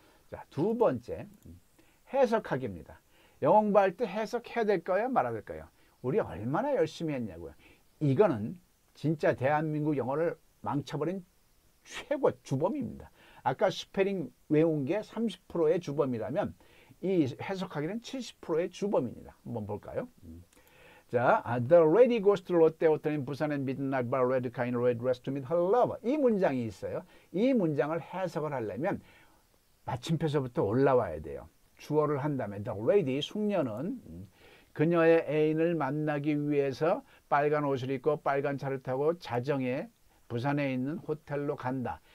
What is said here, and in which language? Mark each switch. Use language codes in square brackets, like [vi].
[ko] 자, 두 번째 해석하기입니다. 영어 공부할 때 해석해야 될 거예요? 말아야 될 거예요? 우리 얼마나 열심히 했냐고요. 이거는 진짜 대한민국 영어를 망쳐버린 최고 주범입니다. 아까 스펠링 외운 게 30%의 주범이라면 이 해석하기는 70%의 주범입니다. 한번 볼까요? [en] The lady goes to Lotte Hotel in Busan and midnight by red kind red dress to meet her lover. [ko] 이 문장이 있어요. 이 문장을 해석을 하려면 마침표서부터 올라와야 돼요. 주어를 한 다음에 the lady 숙녀는 그녀의 애인을 만나기 위해서 빨간 옷을 입고 빨간 차를 타고 자정에 부산에 있는 호텔로 간다.